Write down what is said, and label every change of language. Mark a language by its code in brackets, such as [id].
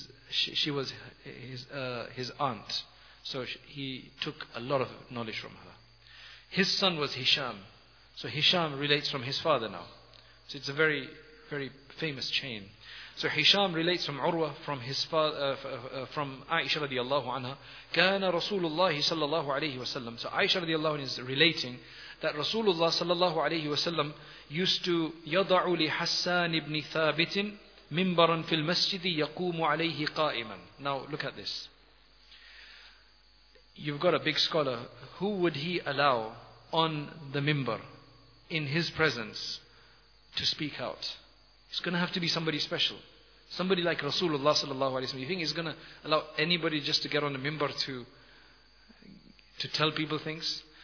[en] She was his aunt. So he took a lot of knowledge from her. His son was Hisham. So Hisham relates from his father now. So it's a very, very famous chain. So Hisham relates from Urwa, from his father, from Aisha radiallahu anha, [ar] كان رسول الله صلى الله عليه وسلم. [en] So Aisha radiallahu anha is relating that Rasulullah صلى الله عليه وسلم used to [ar] يضع لحسان ابن ثابت منبرا في المسجد يقوم عليه قائما. [en] Now look at this. You've got a big scholar. Who would he allow on the minbar in his presence to speak out? It's going to have to be somebody special. Somebody like Rasulullah sallallahu alayhi wa sallam. You think he's going to allow anybody just to get on the minbar to tell people things?